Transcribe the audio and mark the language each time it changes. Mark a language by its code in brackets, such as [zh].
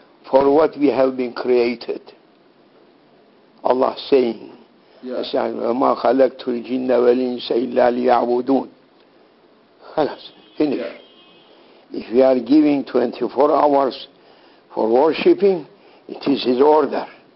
[en] For what we have been created. Allah saying, [ar] وَمَا خَلَقْتُ الْجِنَّ وَالْإِنسَ إِلَّا لِيَعْبُدُونَ. [en] خلاص, finish. If we are giving 24 hours for worshipping, it is His order.